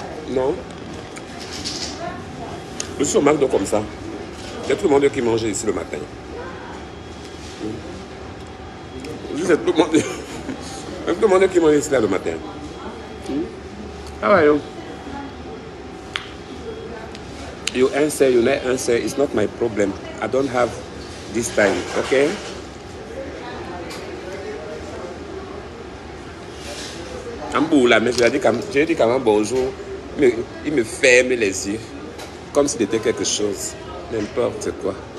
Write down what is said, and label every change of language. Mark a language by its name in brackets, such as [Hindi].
[French] Non? Je suis au McDo comme ça. Il y a tout le monde qui mange ici le matin. Juste tout le monde. Même tout le monde qui mange ici là le matin. Ah ouais. [English] You answer, you not answer, it's not my problem. I don't have this time, okay? [French] I'm boula, mais je lui ai dit quand même bonjour. Mais il me ferme les yeux. Comme si c'était quelque chose. N'importe quoi.